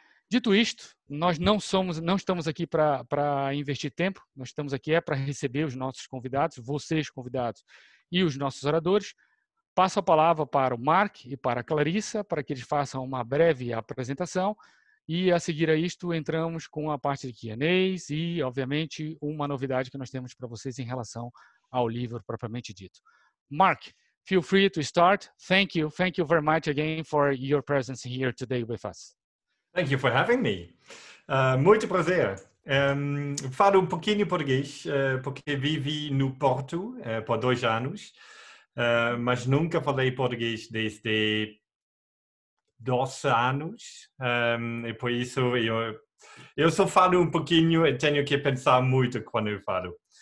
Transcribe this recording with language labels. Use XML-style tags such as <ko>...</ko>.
<pt>Dito isto, nós não estamos aqui para investir tempo, nós estamos aqui é para receber os nossos convidados, vocês convidados e os nossos oradores. Passo a palavra para o Mark e para a Clarissa para que eles façam uma breve apresentação. E a seguir a isto, entramos com a parte de Q&As e, obviamente, uma novidade que nós temos para vocês em relação ao livro propriamente dito.</pt> <en>Mark, feel free to start. Thank you very much again for your presence here today with us. Thank you for having me.</en> <pt>Muito prazer. Falo um pouquinho português, porque vivi no Porto por 2 anos, mas nunca falei português desde 12 anos, e por isso eu só falo um pouquinho e tenho que pensar muito quando eu falo.</pt>